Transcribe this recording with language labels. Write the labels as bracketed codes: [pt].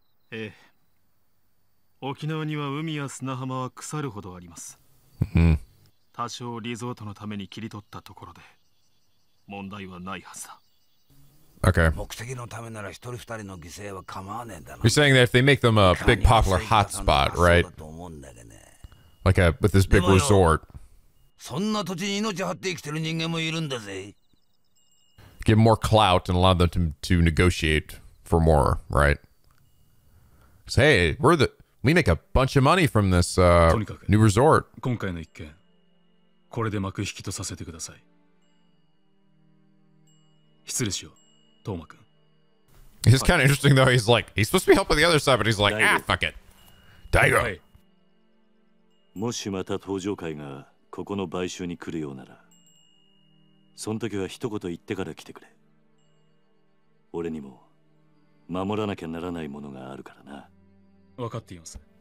[ja] ええ、沖縄には海や砂浜は腐るほどあります。多少リゾートのために切り取ったところで問題はないはずだ。 [en] Okay. [ja] 目的のためなら一人二人の犠牲は構わねえだろ。 [en] You're saying that if they make them a big popular hotspot, right? Like a, with this big resort. [ja] そんな土地に命張って生きてる人間もいるんだぜ。 [en] Give more clout and allow them to negotiate for more, right? Say,、so, hey, we make a bunch of money from this、new resort. [ja] 今回の一件、これで幕引きとさせてください。失礼しよう、トーマ君。 [en] It's kind of interesting though. He's like, he's supposed to be helping the other side, but he's like, ah, fuck it. Daigo. [ja] もしまた東上会がここの買収に来るようなら、その時は一言言ってから来てくれ。俺にも守らなきゃならないものがあるからな。分かっています。